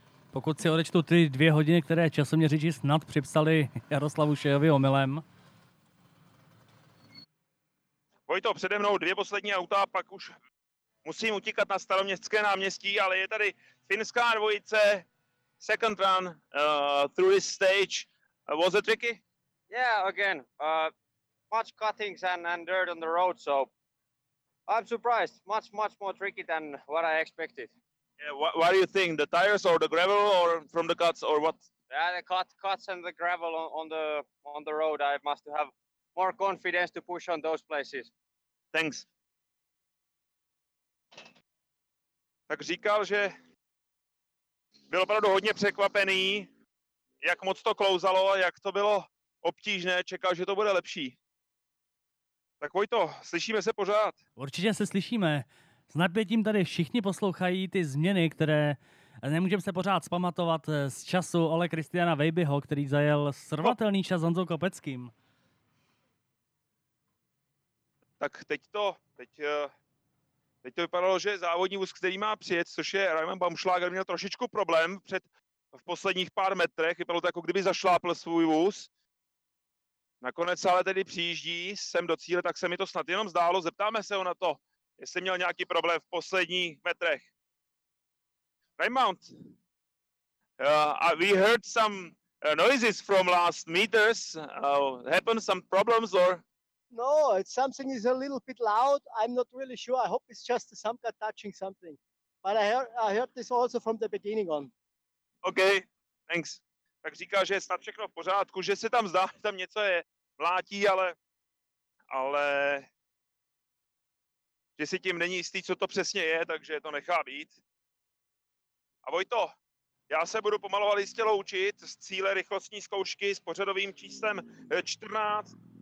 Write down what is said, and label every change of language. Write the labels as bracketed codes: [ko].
[cs] Pokud si odečtu ty dvě hodiny, které časoměřiči snad připsali Jaroslavu Šejovi omylem. Vojto, přede mnou dvě poslední auta, pak už musím utíkat na Staroměstské náměstí, ale je tady finská dvojice, [en] second run through this stage. Was it tricky? Yeah, again, much cuttings and dirt on the road, so I'm surprised. Much more tricky than what I expected. Yeah, what do you think, the tires or the gravel or from the cuts or what? Yeah, the cuts and the gravel on the road, I must have more confidence to push on those places. Thanks. [cs] Tak říkal, že byl opravdu hodně překvapený, jak moc to klouzalo, jak to bylo obtížné, čekal, že to bude lepší. Tak Vojto, slyšíme se pořád. Určitě se slyšíme. S napětím tady všichni poslouchají ty změny, které nemůžeme se pořád zpamatovat z času Ole Christiana Weibyho, který zajel srovnatelný čas s Honzou Kopeckým. Tak teď to vypadalo, že závodní vůz, který má přijet, což je Raimund Baumschlager, měl trošičku problém v posledních pár metrech. Vypadalo to, jako kdyby zašlápl svůj vůz. Nakonec ale tedy přijíždí sem do cíle, tak se mi to snad jenom zdálo. Zeptáme se ho na to, jestli měl nějaký problém v posledních metrech. [en] Raimund, we heard some noises from last meters. Happened some problems or... No, it's something is a little bit loud. I'm not really sure. I hope it's just some guy touching something. But I heard this also from the beginning on. Okay, thanks. [cs] Tak říká, že je snad všechno v pořádku, že se tam zdá, že tam něco je mlátí, ale že si tím není jistý, co to přesně je, takže to nechá být. A Vojto, já se budu pomalu ale jistě loučit z cíle rychlostní zkoušky s pořadovým číslem 14.